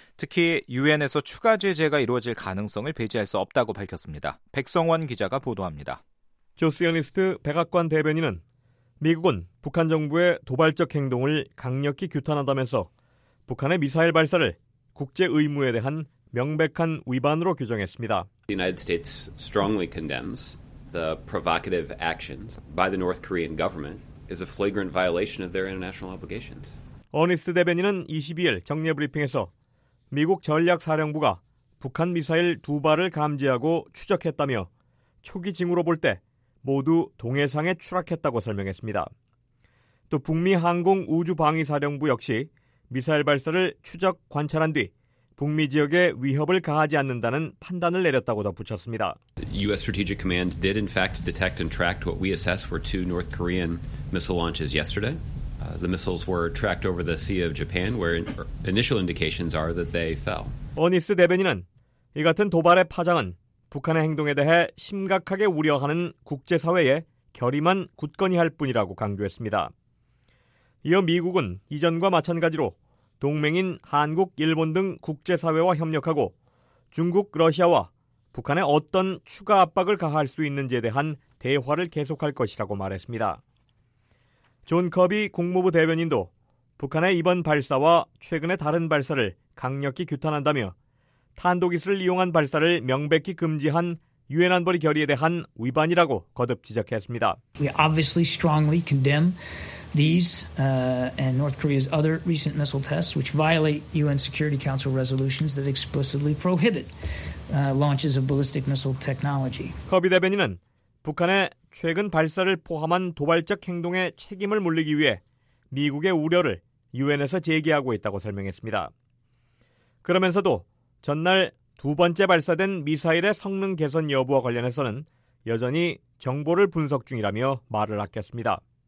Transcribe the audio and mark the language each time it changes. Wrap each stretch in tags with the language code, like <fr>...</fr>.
<ko>특히 유엔에서 추가 제재가 이루어질 가능성을 배제할 수 없다고 밝혔습니다. 백성원 기자가 보도합니다. 조스연리스트 백악관 대변인은 미국은 북한 정부의 도발적 행동을 강력히 규탄한다면서 북한의 미사일 발사를 국제 의무에 대한 명백한 위반으로 규정했습니다.</ko> <en>The United States strongly condemns the provocative actions by the North Korean government is a flagrant violation of their international obligations.</en> <ko>어니스트 대변인은 22일 정례 브리핑에서 미국 전략사령부가 북한 미사일 두 발을 감지하고 추적했다며 초기 징후로 볼 때 모두 동해상에 추락했다고 설명했습니다. 또 북미 항공 우주방위사령부 역시 미사일 발사를 추적 관찰한 뒤 북미 지역에 위협을 가하지 않는다는 판단을 내렸다고 덧붙였습니다.</ko> <en>US Strategic Command did in fact detect and tracked what we assess were two North Korean missile launches yesterday. The missiles were tracked over the Sea of Japan where initial indications are that they fell.</en> <ko>어니스 대변인은 이 같은 도발의 파장은 북한의 행동에 대해 심각하게 우려하는 국제사회의 결의만 굳건히 할 뿐이라고 강조했습니다. 이어 미국은 이전과 마찬가지로 동맹인 한국, 일본 등 국제사회와 협력하고 중국, 러시아와 북한에 어떤 추가 압박을 가할 수 있는지에 대한 대화를 계속할 것이라고 말했습니다. 존 커비 국무부 대변인도 북한의 이번 발사와 최근의 다른 발사를 강력히 규탄한다며 탄도기술을 이용한 발사를 명백히 금지한 유엔 안보리 결의에 대한 위반이라고 거듭 지적했습니다.</ko> <en>We obviously strongly condemn these and North Korea's other recent missile tests which violate UN Security Council resolutions that explicitly prohibit launches of ballistic missile technology.</en> <ko>커비 대변인은 북한의 최근 발사를 포함한 도발적 행동에 책임을 물리기 위해 미국의 우려를 유엔에서 제기하고 있다고 설명했습니다. 그러면서도 전날 두 번째 발사된 미사일의 성능 개선 여부와 관련해서는 여전히 정보를 분석 중이라며 말을 아꼈습니다.</ko>